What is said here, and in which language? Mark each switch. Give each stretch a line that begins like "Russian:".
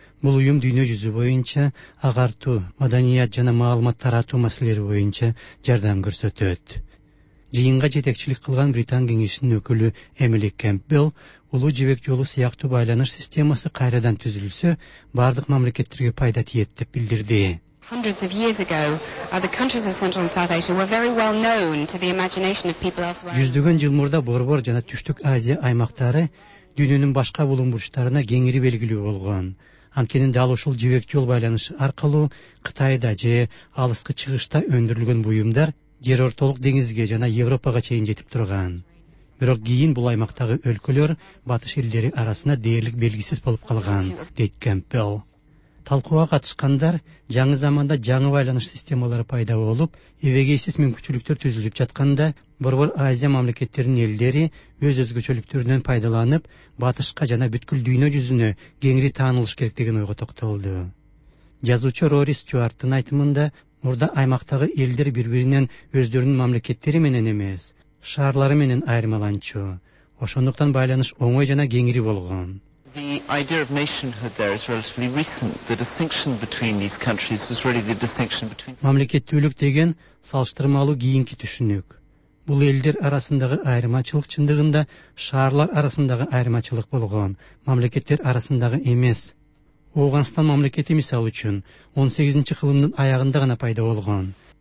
Kyrgyz: Бул уюм дүйнө жүзү боюнча агартуу, маданият жана маалымат таратуу маселелери боюнча жардам көрсөтөт. Жыйынга жетекчилик кылган Британ кеңешинин өкүлү Эмили Кэмпбелл улуу жибек жолу сыяктуу байланыш системасы кайрадан түзүлсө бардык мамлекеттерге пайда тиет деп билдирди.
English: Hundreds of years ago, the countries of Central and South Asia were very well known to the imagination of people elsewhere.
Kyrgyz: Жүздөгөн жыл мурда Борбор жана Түштүк Азия аймактары дүйнөнүн башка булуңбурчтарына кеңири белгилүү болгон. Анткени дал ушул жибек жол байланышы аркылуу Кытайда же алыскы чыгышта өндүрүлгөн буюмдар жер ортолук деңизге жана Европага чейин жетип турган. Бирок кийин бул аймактагы өлкөлөр батыш элдери арасында дээрлик белгисиз болуп калган, дейт Кэмпбелл. Талкууга катышкандар жаңы заманда жаңы байланыш системалары пайда болуп, эбегейсиз мүмкүнчүлүктөр түзүлүп жатканда, Борбор Азия мамлекеттеринин элдери өз өзгөчөлүктөрүнөн пайдаланып, батышка жана бүткүл дүйнө жүзүнө кеңири таанылыш керек деген ойго токтолду. Жазуучу Рори Стюарттын айтымында, мурда аймактагы элдер бири-биринен өздөрүнүн мамлекеттери менен эмес, шаарлары менен айырмаланчу. Ошондуктан байланыш оңой жана кеңири болгон.
English: The idea of nationhood there is relatively recent. The distinction between these countries was really the distinction between
Kyrgyz: мамлекеттүүлүк деген салыштырмалуу кийинки түшүнүк. Бул элдер арасындагы айырмачылык чындыгында шаарлар арасындагы айырмачылык болгон, мамлекеттер арасындагы эмес. Ооганстан мамлекети мисалы үчүн 18-чи кылымдын аягында гана пайда болгон.